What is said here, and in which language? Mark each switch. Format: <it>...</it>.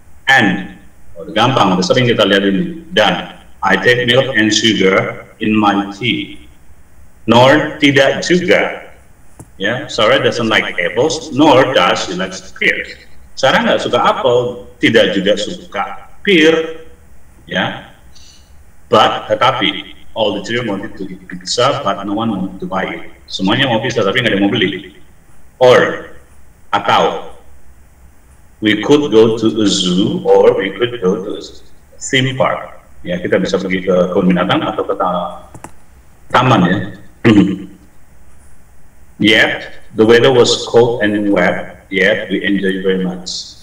<id>And, udah gampang, udah sering kita lihat ini, dan,</id> <en>I take milk and sugar in my tea,</en> <id>nor tidak juga.</id> <en>Ya, Sarah doesn't like apples, nor does she like pears.</en> <id>Sarah nggak suka apel, tidak juga suka pear.</id> <en>Ya, but</en> <id>tetapi</id> <en>all the children wanted to eat pizza, but no one wanted to buy it.</en> <id>Semuanya mau pizza, tapi nggak ada yang mau beli.</id> <en>Or</en> <id>atau</id> <en>we could go to a zoo, or we could go to a theme park.</en> <id>Ya, kita bisa pergi ke kebun binatang atau ke taman ya.</id> <en>Yet, the weather was cold and wet, yet we enjoyed very much.</en>